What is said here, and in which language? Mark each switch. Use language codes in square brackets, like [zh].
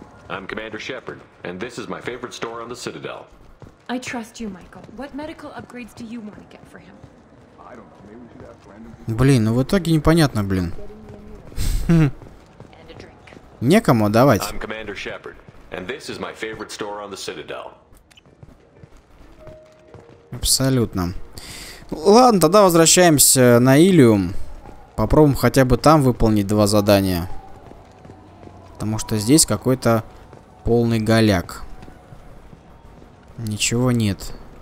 [en] I'm Commander Shepard, and this is my favorite store on the Citadel. I trust you, Michael. What medical upgrades do you want to get for him? I don't know. Maybe we should ask random. [ru] Блин, ну в итоге непонятно, блин. Некому отдавать. [en] I'm Commander Shepard, and this is my favorite store on the Citadel. [ru] Абсолютно. Ладно, тогда возвращаемся на Илиум. Попробуем хотя бы там выполнить два задания. Потому что здесь какой-то полный голяк. Ничего нет.